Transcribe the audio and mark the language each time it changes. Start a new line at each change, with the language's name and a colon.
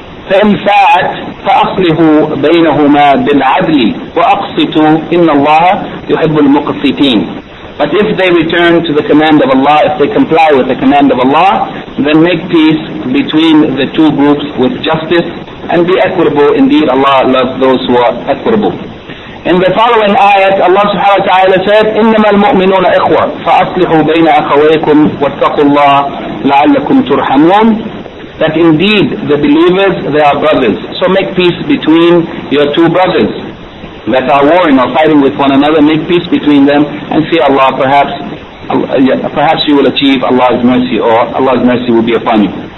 Arabic: فَإِنْ فَاعَتْ فَأَصْلِهُ بَيْنَهُمَا بِالْعَدْلِ وَأَقْصِتُوا إِنَّ اللَّهَ يُحِبُّ الْمُقْصِتِينَ.
English: But if they return to the command of Allah, if they comply with the command of Allah, then make peace between the two groups with justice and be equitable. Indeed, Allah loves those who are equitable. In the following ayat, Allah subhanahu wa ta'ala said,
Arabic: إِنَّمَا الْمُؤْمِنُونَ إِخْوَةٌ فَأَصْلِحُوا بَيْنَ أَخَوَيْكُمْ وَاتَّقُوا اللَّهَ لَعَلَّكُمْ تُرْحَمُونَ.
English: That indeed, the believers, they are brothers. So make peace between your two brothers that are warring or fighting with one another. Make peace between them and see Allah, perhaps you will achieve Allah's mercy, or Allah's mercy will be upon you.